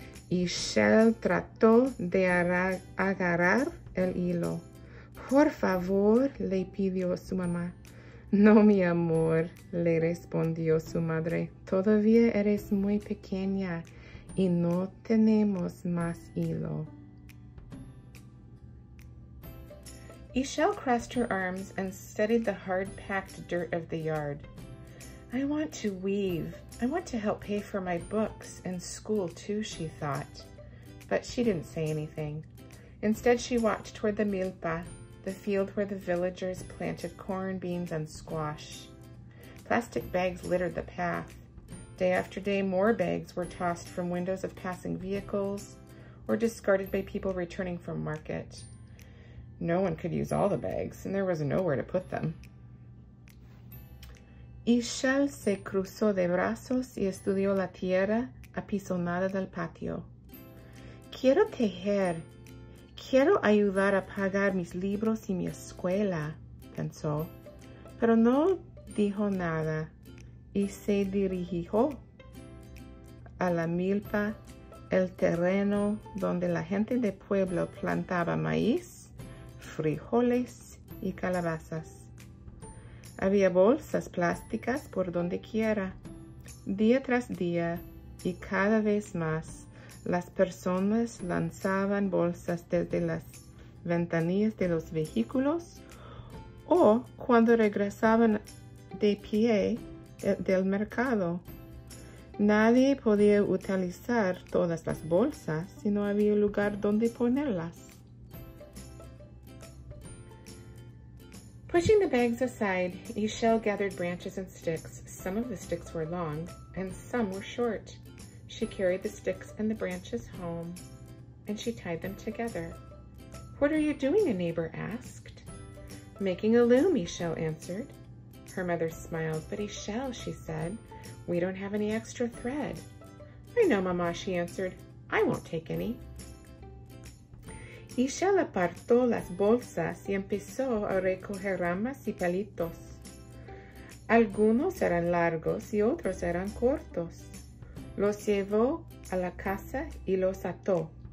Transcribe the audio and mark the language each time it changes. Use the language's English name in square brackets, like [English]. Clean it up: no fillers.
[Spanish] Ishel trató de agarrar el hilo. Por favor, le pidió su mamá. No, mi amor, le respondió su madre. Todavía eres muy pequeña y no tenemos más hilo. [English] Ishel crossed her arms and studied the hard-packed dirt of the yard. I want to weave. I want to help pay for my books and school too, she thought. But she didn't say anything. Instead, she walked toward the milpa, the field where the villagers planted corn, beans, and squash. Plastic bags littered the path. Day after day, more bags were tossed from windows of passing vehicles or discarded by people returning from market. No one could use all the bags, and there was nowhere to put them. [Spanish] Ishel se cruzó de brazos y estudió la tierra apisonada del patio. Quiero tejer. Quiero ayudar a pagar mis libros y mi escuela, pensó. Pero no dijo nada y se dirigió a la milpa, el terreno donde la gente de pueblo plantaba maíz, frijoles y calabazas. Había bolsas plásticas por donde quiera. Día tras día y cada vez más, las personas lanzaban bolsas desde las ventanillas de los vehículos o cuando regresaban de pie del mercado. Nadie podía utilizar todas las bolsas si no había lugar donde ponerlas. [English] Pushing the bags aside, Ishel gathered branches and sticks. Some of the sticks were long and some were short. She carried the sticks and the branches home and she tied them together. What are you doing? A neighbor asked. Making a loom, Ishel answered. Her mother smiled. But Ishel, she said, we don't have any extra thread. I know, Mama, she answered. I won't take any. [Spanish] Ishel apartó las bolsas y empezó a recoger ramas y palitos. Algunos eran largos y otros eran cortos. Los llevó a la casa y los ató.